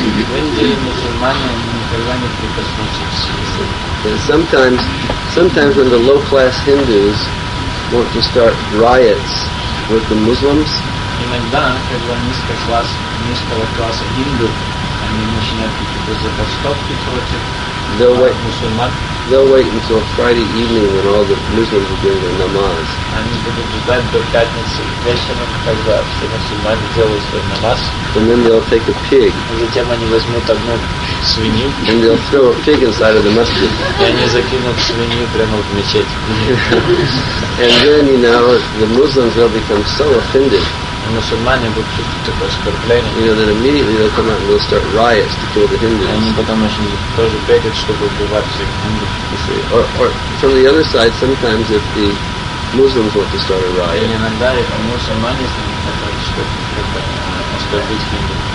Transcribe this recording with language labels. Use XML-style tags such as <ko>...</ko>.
<ru>В Индии мусульмане никогда не прикоснутся к свиньям.</ru> <en>And sometimes when the low-class Hindus want to start riots with the Muslims,</en> <ru>иногда, когда низкого класса Hindu, они начинают какие-то забастовки против мусульман,</ru> <en>they'll wait until Friday evening when all the Muslims are doing their namaz.</en> <ru>Они будут ждать до пятницы вечером, когда все мусульмане делают свой намаз.</ru> <en>And then they'll take a pig.</en> <ru>И затем они возьмут одну свинью.</ru> <en>And they'll throw a pig inside of the masjid.</en> <ru>И они закинут свинью прямо в мечеть.</ru> <en>And then, you know, the Muslims will become so offended.</en> <ru>Мусульмане будут чувствовать такое оскорбление.</ru> <en>You know, then immediately they'll come out and they'll start riots to kill the Hindus.</en> <ru>Они потом очень тоже бегают, чтобы убивать всех Hindus.</ru> <en>You see. Or from the other side, sometimes if the Muslims want to start a riot,</en> <ru>и иногда это мусульмане, если они хотят, чтобы оскорбить Hindus,</ru>